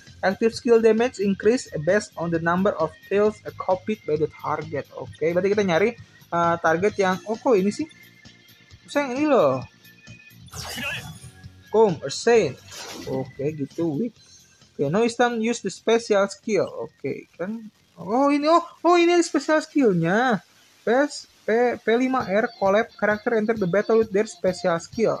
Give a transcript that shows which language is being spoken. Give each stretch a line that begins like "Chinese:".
English: Active skill damage increase based on the number of kills copied by the target.
Indonesian: Oke, okay, berarti kita nyari target yang... Oh, kok ini sih? Maksudnya yang ini loh. Boom, Ursaine. Oke, okay, gitu. Weak.
English: Okay, now it's time to use the special skill. Oke, okay, kan...
Indonesian: Oh ini special skill-nya.
English: P5R collab character enter the battle with their special skill.